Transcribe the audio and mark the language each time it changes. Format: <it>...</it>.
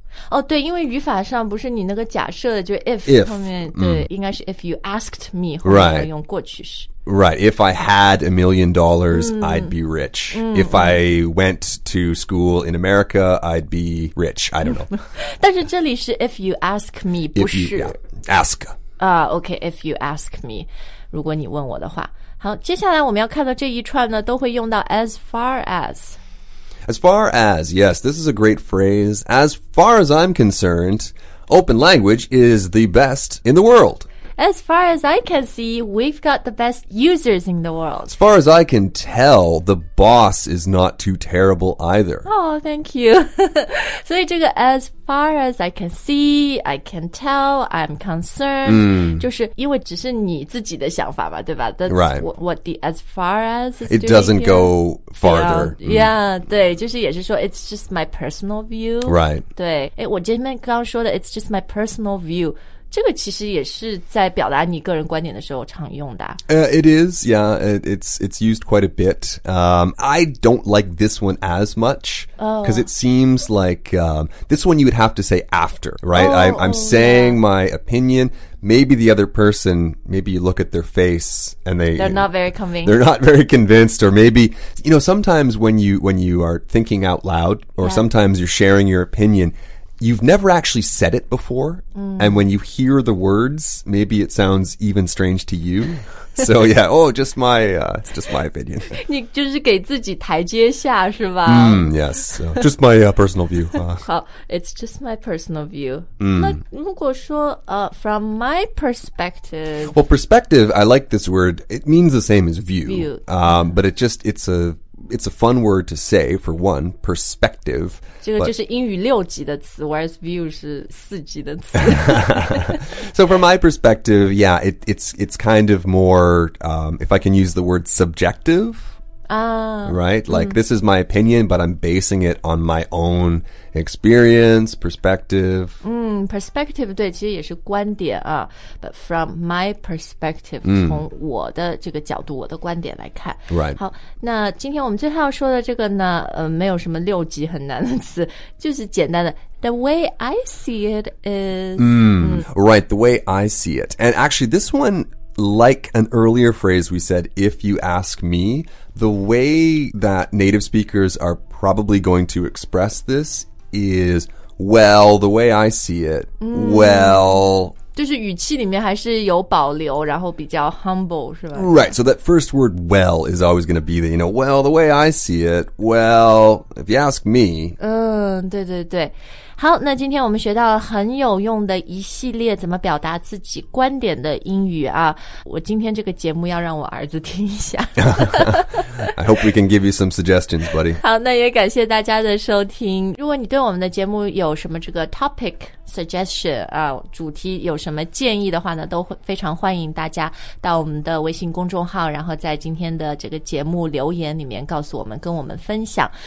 <zh>Oh, 对，因为语法上不是你那个假设的，就 if 后面，对，应该是</zh> <en>if you asked me,</en> <zh>后面用过去式。</zh> <en>Right, if I had $1 million, I'd be rich. If I went to school in America, I'd be rich. I don't know.</en> <zh>但是这里是</zh> <en>if you ask me,</en> <zh>不是</zh> <en>ask. Okay, if you ask me,</en> <zh>如果你问我的话。好，接下来我们要看到这一串呢，都会用到</zh> <en>as far as. As far as, yes, this is a great phrase. As far as I'm concerned, open language is the best in the world. As far as I can see, we've got the best users in the world. As far as I can tell, the boss is not too terrible either. Oh, thank you.</en> <zh>所以这个</zh> <en>as far as I can see, I can tell, I'm concerned,</en> <zh>就是因为只是你自己的想法吧，对吧？</zh> <en>That's What the as far as is It doing doesn't、 here. Go farther. Yeah,</en> <zh>对，就是也是说</zh> <en>it's just my personal view. Right.</en> <zh>对，诶，我前面刚刚说的</zh> <en>it's just my personal view.</en> <zh>这个其实也是在表达你个人观点的时候常用的。</zh> <en>It is, yeah, it's used quite a bit. I don't like this one as much, because it seems like, this one you would have to say after, right? I'm saying my opinion, maybe the other person, maybe you look at their face and they're not very convinced. They're not very convinced, or maybe, you know, sometimes when you are thinking out loud, or sometimes you're sharing your opinion,You've never actually said it before,and when you hear the words, maybe it sounds even strange to you. So yeah, oh, just my, it's just my opinion.</en> <zh>你就是给自己台阶下是吧？</zh> <en>Yes, so, just my personal view.</en> <zh>好</zh> <en>it's just my personal view.</en> <zh>那如果说</zh> <en>from my perspective. Well, perspective, I like this word. It means the same as view. View. But it's a fun word to say, for one, perspective.</en> <zh>这个就是英语六级的词</zh> <en>whereas view</en> <zh>是四级的词。</zh> <en>So from my perspective, yeah, it's kind of more, if I can use the word subjective,right? Like, this is my opinion, but I'm basing it on my own experience, perspective.</en> <zh>Perspective, 对，其实也是观点啊。</zh> <en>But from my perspective,</en> <zh>从我的这个角度，我的观点来看。</zh> <en>Right.</en> <zh>好，那今天我们最后要说的这个呢，没有什么六级很难的词，就是简单的。</zh> <en>The way I see it is... Right, the way I see it. And actually, this one... Like an earlier phrase we said, if you ask me, the way that native speakers are probably going to express this is, well, the way I see it,well...</en> <zh>就是语气里面还是有保留，然后比较 humble, 是吧</zh> <en>Right, so that first word, well, is always going to be the, you know, well, the way I see it, well, if you ask me...</en> <zh>对对对。好，那今天我们学到了很有用的一系列怎么表达自己观点的英语啊！我今天这个节目要让我儿子听一下。</zh> <en>I hope we can give you some suggestions, buddy.</en> <zh>好，那也感谢大家的收听。如果你对我们的节目有什么这个</zh> <en>topic suggestion</en> <zh>啊，主题有什么建议的话呢，都非常欢迎大家到我们的微信公众号，然后在今天的这个节目留言里面告诉我们，跟我们分享。</zh>